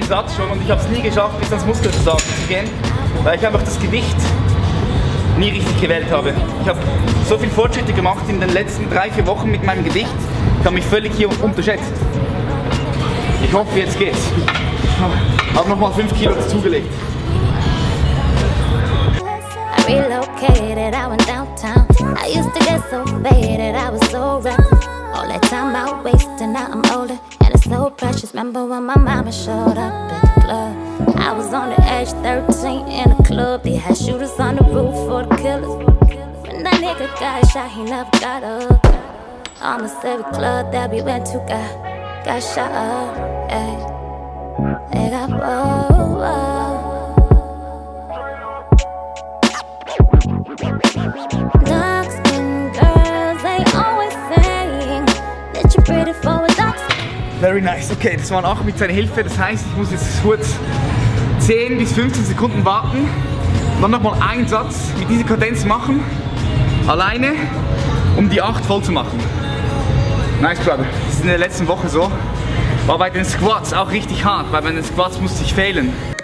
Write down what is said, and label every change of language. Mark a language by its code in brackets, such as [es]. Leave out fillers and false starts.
[de] Satz schon und ich habe es nie geschafft, bis ans Muskelversorgen zu gehen, weil ich einfach das Gewicht nie richtig gewählt habe. Ich habe so viel Fortschritte gemacht in den letzten 3-4 Wochen mit meinem Gewicht, ich habe mich völlig hier unterschätzt. Ich hoffe, jetzt geht's. Ich habe nochmal 5 Kilo zugelegt. [en] Relocated, I went downtown. I used to get so faded, I was so reckless. All that time I wasted, now I'm older. And it's so precious, remember when my mama showed up at the club. I was on the edge, 13 in a club. They had shooters on the roof for the killers. When that nigga got shot, he never got up. Almost every club that we went to got shot up, ay. They got bow. Dark skin girls, they always saying that you're pretty for a dark skin. Very nice. [de] Okay, das waren 8 mit seiner Hilfe. Das heißt, ich muss jetzt kurz 10 bis 15 Sekunden warten. Und dann nochmal einen Satz mit dieser Kadenz machen. Alleine, um die 8 voll zu machen. [en] Nice, brother. [de] Das ist in der letzten Woche so. War bei den Squats auch richtig hart, weil bei den Squats musste ich failen.